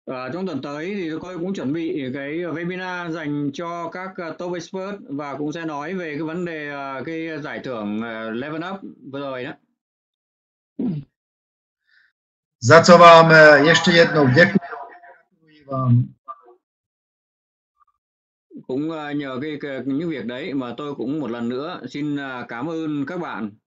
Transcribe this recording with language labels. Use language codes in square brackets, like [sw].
[vi] Trong tuần tới thì tôi cũng chuẩn bị cái webinar dành cho các top experts và cũng sẽ nói về cái vấn đề cái giải thưởng Level Up vừa rồi đó. [cs] Za co vám ještě jednou děkuji vám. [vi] Cũng nhờ những việc đấy mà tôi cũng một lần nữa xin cảm ơn các bạn.